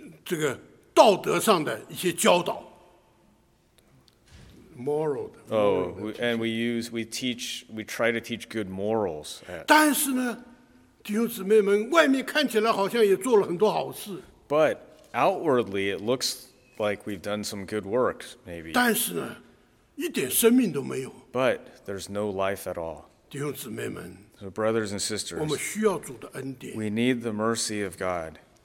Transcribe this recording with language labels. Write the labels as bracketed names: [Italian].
[Chinese] 各种的道德上的一些教导 moral [English] oh and we use we teach we try to teach good morals at, [Chinese] 但是呢弟兄姊妹们外面看起来好像也做了很多好事 [English] but outwardly it looks like we've done some good works maybe [Chinese] 但是呢一点生命都没有 [English] but there's no life at all [Chinese] 弟兄姊妹们 [English] So brothers and sisters, we need the mercy of God.